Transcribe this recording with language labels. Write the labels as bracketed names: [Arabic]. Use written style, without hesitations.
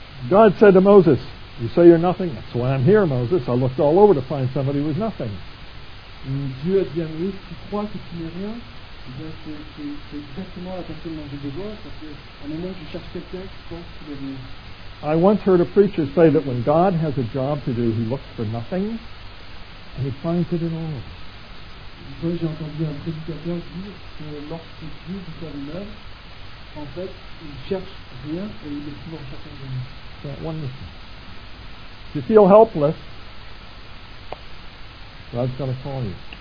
[English] God said to Moses, "You say you're nothing. That's why I'm here, Moses. I looked all over to find somebody who was nothing." [French] Dieu a dit à Moïse, "Tu crois que tu n'es rien? C'est exactement la personne dont j'ai besoin parce qu'à un moment je cherche quelqu'un qui pense qu'il est rien." [English] I once heard a preacher say that when God has a job to do, he looks for nothing and he finds it in all. [French] J'ai entendu un prédicateur dire que lorsque Dieu vous fait une œuvre, en fait, il cherche rien et il est toujours chacun de nous. [English] That one listen. If you feel helpless, God's going to call you.